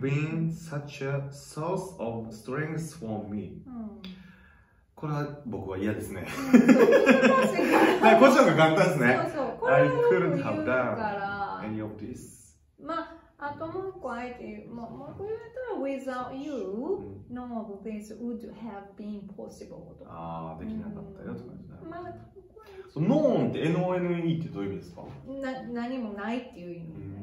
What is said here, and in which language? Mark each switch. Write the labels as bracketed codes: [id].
[en] been such a source of strength for me、 [ja] これは僕は嫌ですね。こっちの方が簡単ですね。そうそう、 [en] I couldn't have done any of this。 [ja] まあ、あともう一個あえて、もう一個言ったら、 [en] without you, none of this would have been possible [ja] と。ああ、できなかったよって感じだね。None って none ってどういう意味ですか？何もないっていう意味。